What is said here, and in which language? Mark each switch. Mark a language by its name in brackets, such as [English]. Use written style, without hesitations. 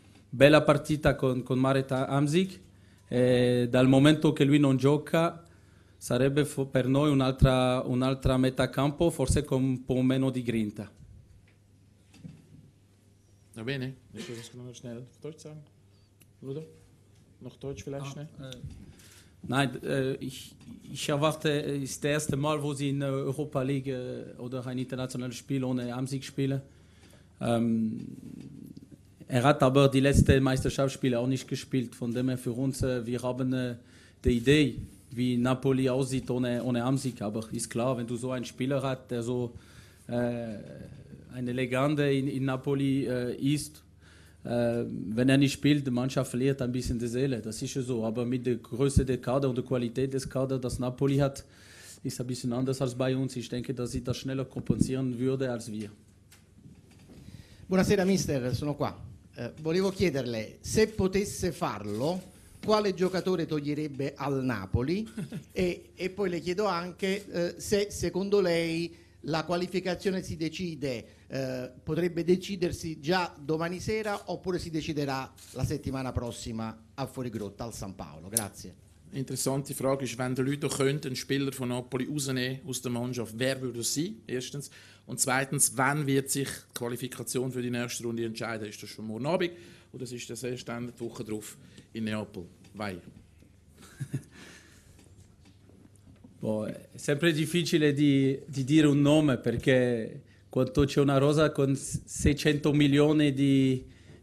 [Italian] Bella partita con Marek Hamsik, e dal momento che lui non gioca sarebbe per noi un'altra metà campo, forse con un po' meno di grinta. Va bene? Adesso riesco a andare schnell. [German] Deutsch sagen? Ludo? Noch Deutsch vielleicht schnell? Nein, ich erwarte, es ist das erste Mal, wo sie in der Europa League oder ein internationales Spiel ohne Hamsik spielen. Er hat aber die letzten Meisterschaftsspiele auch nicht gespielt. Von dem her für uns, wir haben die Idee, wie Napoli aussieht ohne Hamsik. Aber ist klar, wenn du so einen Spieler hast, der so eine Legende in Napoli ist, wenn er nicht spielt, die Mannschaft verliert ein bisschen die Seele. Das ist so. Aber mit der Größe des Kaders und der Qualität des Kaders, das Napoli hat, ist ein bisschen anders als bei uns. Ich denke, dass sie das schneller kompensieren würde als wir. [Italian] Buonasera mister, sono qua. Volevo chiederle, se potesse farlo, quale giocatore toglierebbe al Napoli? E poi le chiedo anche se secondo lei la qualificazione si decide, potrebbe decidersi già domani sera oppure si deciderà la settimana prossima a Fuorigrotta, al San Paolo. Grazie. [German] Interessante Frage ist, wenn der Ludo könnte einen Spieler von Napoli rausnehmen aus der Mannschaft, wer würde es sein, erstens? Und zweitens, wann wird sich die Qualifikation für die nächste Runde entscheiden? Ist das schon morgen Abend oder ist das erst dann die Woche drauf in Neapel? Weil? [Italian] Boah, è sempre difficile di dire un nome, perché quando c'è una rosa con 600 milioni di...